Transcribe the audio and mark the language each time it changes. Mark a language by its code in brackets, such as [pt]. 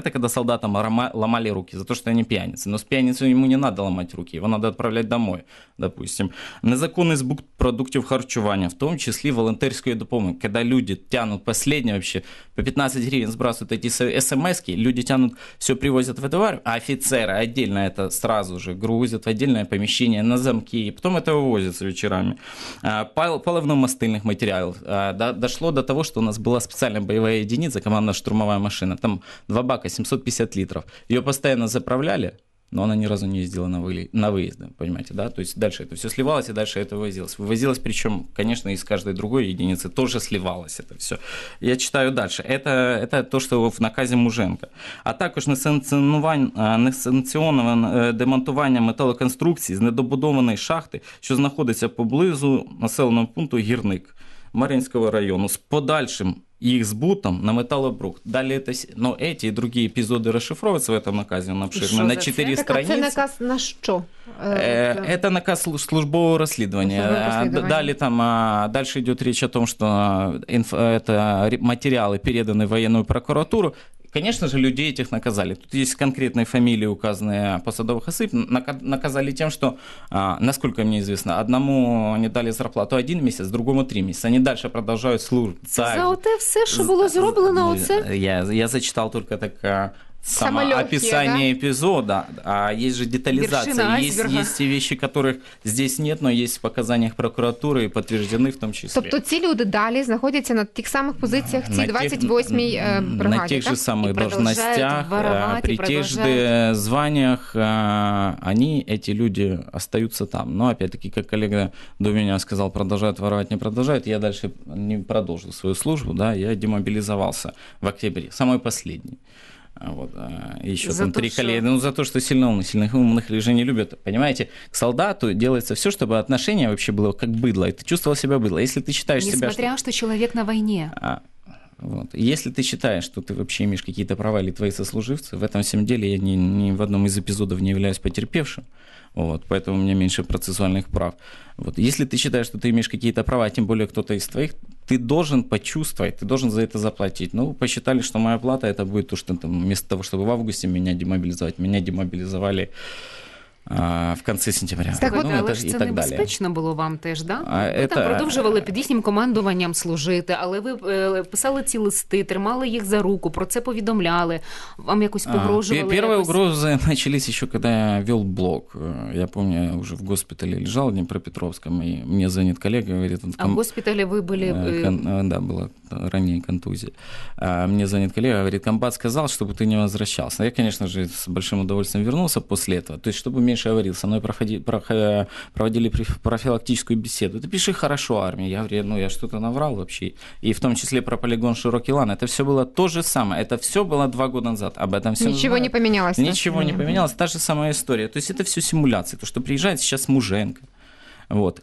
[ru] Это когда солдатам ломали руки за то, что они п'яниці. Но с п'яницей ему не надо ломать руки, его надо отправлять домой, допустим. [uk] Незаконний збут продуктів харчування, в том числе волонтерської допомоги. [ru] Когда люди тянут последнее вообще, по 15 гривен сбрасывают эти смски, люди тянут, все привозят в товар, а офицеры отдельно это сразу же грузят в отдельное помещение на замки, и потом это вывозится вечерами. Паливно-мастильних матеріалів. Дошло до того, что у нас была специальная боевая единица, командно-штурмовая машина. Там два бака, 750 литров. Ее постоянно заправляли, но она ни разу не ездила на выезды, понимаете, да? То есть дальше это все сливалось, и дальше это вывозилось. Вывозилось, причем, конечно, из каждой другой единицы тоже сливалось это все. Я читаю дальше. Это то, что в наказе Муженко. [uk] А також несанкціоноване демонтування металоконструкції з недобудованої шахти, що знаходиться поблизу населеного пункту Гірник Мар'їнського району, з подальшим їх збутом на металобрухт. Далі це, ну, ці і інші епізоди розшифровуються в цьому наказі, він обширний, на 4 сторінки. Це наказ на що? [ru] Это наказ службового расследования. Далее там, дальше идет речь о том, что это материалы переданы в военную прокуратуру. Конечно же, людей этих наказали. Тут есть конкретные фамилии, указанные посадовых осыпь. Наказали тем, что, насколько мне известно, одному они дали зарплату один месяц, другому три месяца. Они дальше продолжают служить. За оте все, что было сделано, оце? Я зачитал только так... Само самолёгкие, описание, да? Эпизода, а есть же детализация, есть те вещи, которых здесь нет, но есть в показаниях прокуратуры и подтверждены в том числе. [uk] Тобто ці люди далі знаходяться на тих самих позиціях, ці 28-й бригаді, [ru] на тих же самих должностях, при тих же званиях, они, эти люди, остаются там. Но опять-таки, как коллега до меня сказал, продолжают воровать, не продолжают, я дальше не продолжил свою службу, да, я демобилизовался в октябре, самый последний. Вот, еще за там три коллеги. Ну, за то, что сильно умных, сильных умных людей не любят. Понимаете, к солдату делается все, чтобы отношение вообще было как быдло. И ты чувствовал себя быдло. Если ты считаешь несмотря себя... Несмотря, что человек на войне. Вот. Если ты считаешь, что ты вообще имеешь какие-то права или твои сослуживцы, в этом всем деле я ни в одном из эпизодов не являюсь потерпевшим. Вот, поэтому у меня меньше процессуальных прав. Вот. Если ты считаешь, что ты имеешь какие-то права, тем более кто-то из твоих, ты должен почувствовать, ты должен за это заплатить. Ну, посчитали, что моя плата, это будет то, что там, вместо того, чтобы в августе меня демобилизовали в конце сентября. [uk] Так, ну, але ж це небезпечно було вам теж, да? Ви там продовжували під їхнім командуванням служити, але ви писали ці листи, тримали їх за руку, про це повідомляли, вам якось погрожували. Перші угрози почалися ще, коли я вів блог. Я пам'ятаю, вже в госпіталі лежав в Дніпропетровському, і мені дзвонить колега, говорить... А в госпіталі ви були... Да, була ранній контузія. Мені дзвонить колега, говорить, комбат сказав, щоб ти не возвращався. Я, звісно, з великим удовольствием вернувся після цього. [ru] Тобто, щоб меньше говорил, со мной проводили профилактическую беседу. Ты пиши хорошо армии. Я говорю, ну я что-то наврал вообще. И в том числе про полигон Широкий Лан. Это все было то же самое. Это все было два года назад. Об этом все ничего не поменялось. Ничего не поменялось. Та же самая история. То есть это все симуляция. То, что приезжает сейчас Муженко. Вот.